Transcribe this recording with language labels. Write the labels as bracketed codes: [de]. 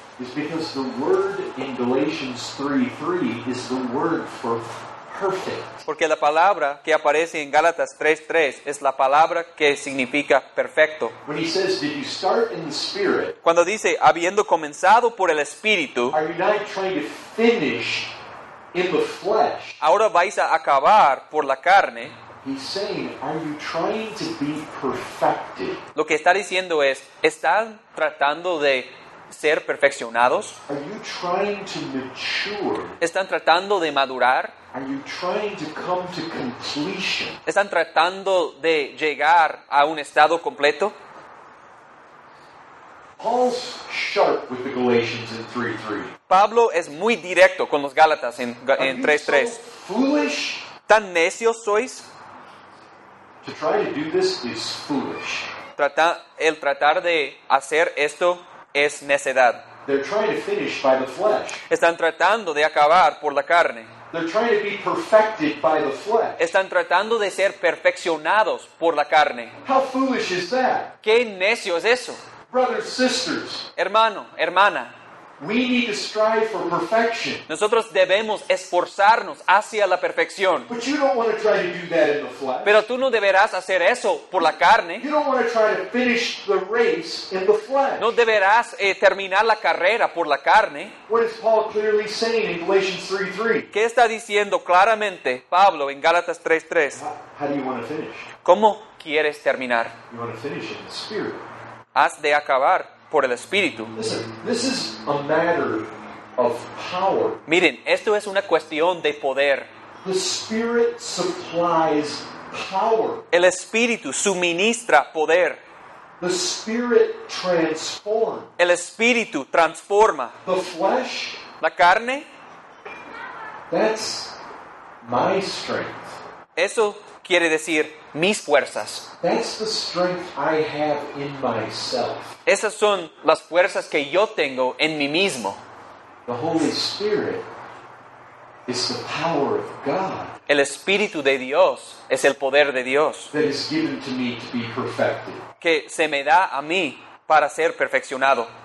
[en] Is because the word in Galatians 3:3 is the word for perfect. [es] Porque la palabra que aparece en Gálatas 3:3 es la palabra que significa perfecto. [en] When he says, did you start in the Spirit? [es] Cuando dice, habiendo comenzado por el Espíritu, [en] are you not trying to finish in the flesh? [es] Ahora vais a acabar por la carne. [en] He's saying, are you trying to be perfected? [es] Lo que está diciendo es, ¿están tratando de ser perfeccionados? [en] Are you trying to mature? [es] ¿Están tratando de madurar? [en] Are you trying to come to completion? [es] ¿Están tratando de llegar a un estado completo? [en] Paul's sharp with the Galatians in 3:3. [es] Pablo es muy directo con los Gálatas en 3:3. [en] So foolish? [es] ¿Tan necios sois? [en] To try to do this is foolish. [es] El tratar de hacer esto es necedad. [en] They're trying to finish by the flesh. [es] Están tratando de acabar por la carne. [en] They're trying to be perfected by the flesh. [es] Están tratando de ser perfeccionados por la carne. [en] How foolish is that? [es] ¿Qué necio es eso? [en] Brothers, sisters. [es] Hermano, hermana. [en] We need to strive for perfection. [es] Nosotros debemos esforzarnos hacia la perfección. [en] But you don't want to try to do that in the flesh. [es] Pero tú no deberás hacer eso por la carne. [en] You don't want to try to finish the race in the flesh. [es] No deberás terminar la carrera por la carne. [en] What is Paul clearly saying in Galatians 3:3? [es] ¿Qué está diciendo claramente Pablo en Gálatas 3:3? [en] How do you want to finish? [es] ¿Cómo quieres terminar? [en] You want to finish in the spirit. [es] Has de acabar por el Espíritu. [en] Listen, this is a matter of power. [es] Miren, esto es una cuestión de poder. [en] The Spirit supplies power. [es] El Espíritu suministra poder. [en] The Spirit transforms. [es] El Espíritu transforma. [en] The flesh, [es] la carne, [en] that's my strength. [es] Eso quiere decir mis fuerzas. [en] That's the strength I have in myself. [es] Esas son las fuerzas que yo tengo en mí mismo. [en] The Holy Spirit is the power of God. [es] El Espíritu de Dios es el poder de Dios. [en] That is given to me to be perfected. [es] Que se me da a mí para ser perfeccionado.